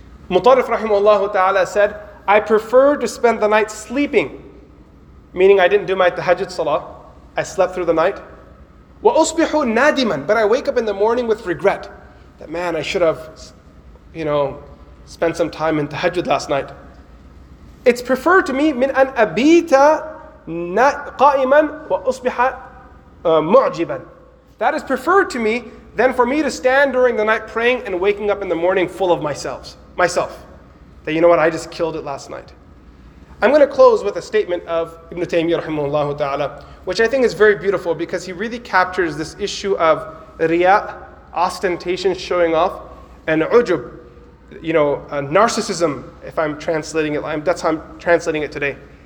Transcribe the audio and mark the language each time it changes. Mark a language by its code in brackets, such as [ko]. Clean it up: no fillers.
[en] Mutarif rahimahullahu ta'ala said, I prefer to spend the night sleeping. Meaning I didn't do my tahajjud salah. I slept through the night. [ar] وَأُصْبِحُ نَادِمًا. [en] But I wake up in the morning with regret. That man, I should have, you know, spent some time in tahajjud last night. It's preferred to me, [ar] مِنْ أَنْ أَبِيتَ قَائِمًا وَأُصْبِحَ مُعْجِبًا. [en] That is preferred to me than for me to stand during the night praying and waking up in the morning full of myself. That, you know what, I just killed it last night. I'm going to close with a statement of Ibn Taymiyyah rahimahullah ta'ala, which I think is very beautiful because he really captures this issue of riya, ostentation, showing off, and ujub, you know, narcissism, if I'm translating it, that's how I'm translating it today.